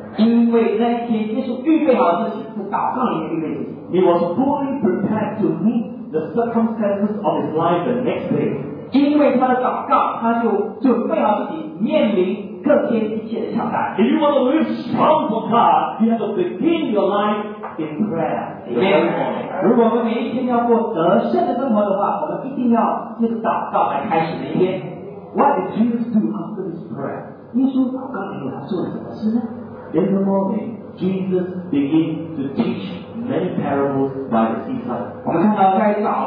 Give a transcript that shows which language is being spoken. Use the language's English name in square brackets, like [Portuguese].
[Chinese] 因为那一天耶稣预备好自己，是祷告里面预备自己。 [English] He was fully prepared to meet the circumstances of his life the next day. [Chinese] 因为他的祷告，他就准备好自己面临各天一切的挑战。 [English] If you want to live strong for God, you have to begin your life in prayer. Amen. [Chinese] 如果我们每一天要过得胜的生活的话，我们一定要就是祷告来开始那一天。 [English] What did Jesus do after this prayer? [Chinese] 耶稣祷告以后，他做了什么事呢？ [English] In the morning, Jesus began to teach many parables by the seaside.